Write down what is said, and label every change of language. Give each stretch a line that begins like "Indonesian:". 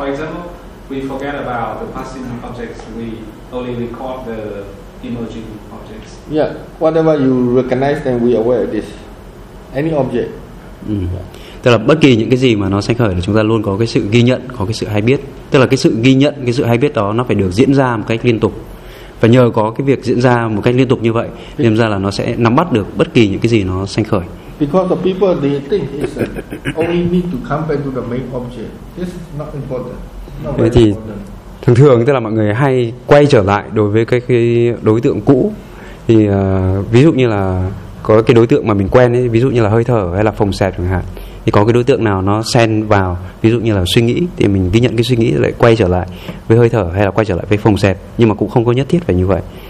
English: For example, we forget about the passing objects. We only record the emerging objects. Yeah, whatever you recognize, then we aware of this. Any object.
Vietnamese: Tức là bất kỳ những cái gì mà nó sanh khởi là chúng ta luôn có cái sự ghi nhận, có cái sự hay biết. Tức là cái sự ghi nhận, cái sự hay biết đó nó phải được diễn ra một cách liên tục. Và nhờ có cái việc diễn ra một cách liên tục như vậy, nên ra là nó sẽ nắm bắt được bất kỳ những cái gì nó sanh khởi.
English: Because the people, they think it's only need to come back to the main object. This is not important.
Vietnamese: Thường thường tức là mọi người hay quay trở lại đối với cái đối tượng cũ. Thì ví dụ như là có cái đối tượng mà mình quen ấy, ví dụ như là hơi thở hay là phồng xẹp chẳng hạn, thì có cái đối tượng nào nó xen vào, ví dụ như là suy nghĩ, thì mình ghi nhận cái suy nghĩ lại quay trở lại với hơi thở hay là quay trở lại với phồng xẹp, nhưng mà cũng không có nhất thiết phải như vậy.